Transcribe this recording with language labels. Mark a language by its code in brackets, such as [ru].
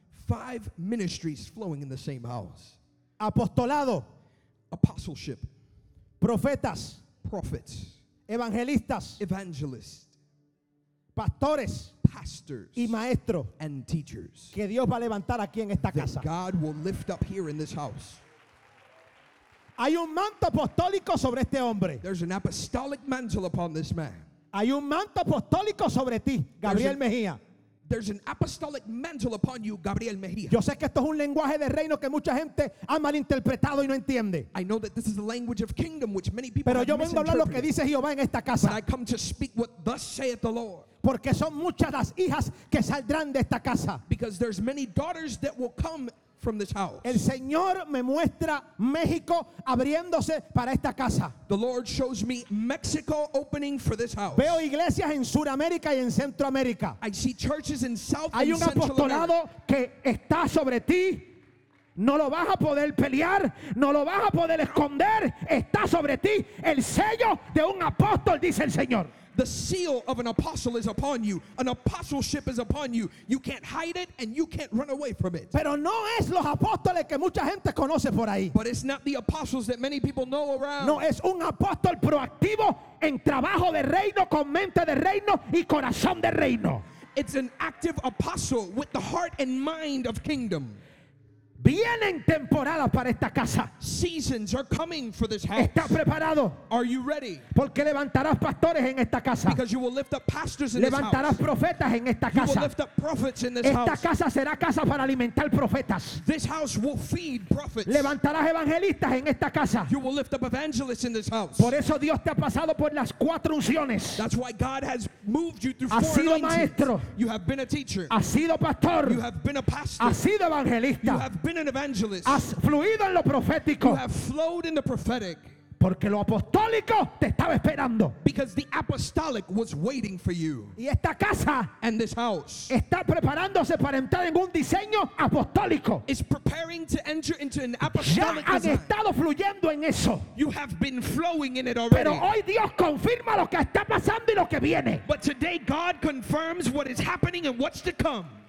[en] Five ministries flowing in the same house. [es] Apostolado. [en] Apostleship. [es] Profetas. [en] Prophets. [es] Evangelistas. [en] Evangelists. [es] Pastores. [en] Pastors [es] y maestros [en] and teachers [es] que Dios va a levantar aquí en esta casa. [en] God will lift up here in this house. [es] Hay un manto apostólico sobre este hombre. [en] There's an apostolic mantle upon this man. [es] Hay un manto apostólico sobre ti, Gabriel Mejía. [en] There's an apostolic mantle upon you, Gabriel Mejía. [es] Yo sé que esto es un lenguaje de reino que mucha gente ha malinterpretado y no entiende. [en] I know that this is the language of kingdom which many people [es] Pero yo vengo a hablar lo que dice Jehová en esta casa. [en] But I come to speak what thus saith the Lord. [es] Porque son muchas las hijas que saldrán de esta casa. [en] Because there's many daughters that will come from this house. [es] El Señor me muestra México abriéndose para esta casa. [en] The Lord shows me Mexico opening for this house. [es] Veo iglesias en Sudamérica y en Centroamérica. [en] I see churches in South [es] Hay un [en] and Central [es] apostolado [en] America. [es] Que está sobre ti. No lo vas a poder pelear, no lo vas a poder esconder. Está sobre ti el sello de un apóstol, dice el Señor. [en] The seal of an apostle is upon you. An apostleship is upon you. You can't hide it and you can't run away from it. [es] Pero no es los apóstoles que mucha gente conoce por ahí. [en] But it's not the apostles that many people know around. [es] No, es un apóstol proactivo en trabajo de reino, con mente de reino y corazón de reino. [en] It's an active apostle with the heart and mind of kingdom. [es] Vienen temporadas para esta casa. [en] Seasons are coming for this house. [es] ¿Estás preparado? [en] Are you ready? [es] Porque levantarás pastores en esta casa. [en] Because you will lift up pastors in this house. [es] Levantarás profetas en esta casa. [en] You will lift up prophets in this [es] esta [en] house. [es] Esta casa será casa para alimentar profetas. [en] This house will feed prophets. [es] Levantarás evangelistas en esta casa. [en] You will lift up evangelists in this house. [es] Por eso Dios te ha pasado por las cuatro unciones. [en] That's why God has moved you through [es] has [en] four [es] Has sido maestro. [en] You have been a teacher. [es] Has sido pastor. [en] You have been a pastor. [es] Has sido evangelista. [en] You have been been an evangelist. [es] Has fluido en lo profético. [en] You have flowed in the prophetic. [es] Porque lo apostólico te estaba esperando. [en] Because the apostolic was waiting for you. [es] Y esta casa [en] and this house [es] está preparándose para entrar en un diseño apostólico. [en] Is preparing to enter into an apostolic [es] ya han [en] design. [es] Estado fluyendo en eso. [en] You have been flowing in it already. [es] Pero hoy Dios confirma lo que está pasando y lo que viene. [en] But today God confirms what is happening and what's to come.